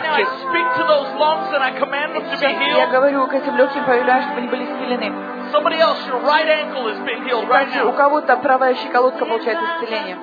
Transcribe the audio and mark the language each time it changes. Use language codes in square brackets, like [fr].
[en] Right now, I speak to those lungs and I command them to be healed. [ru] Я говорю к этим легким, повелеваю, чтобы они были исцелены. [en] Somebody else, your right ankle has been healed right now. [ru] У кого-то правая щиколотка получает исцеление.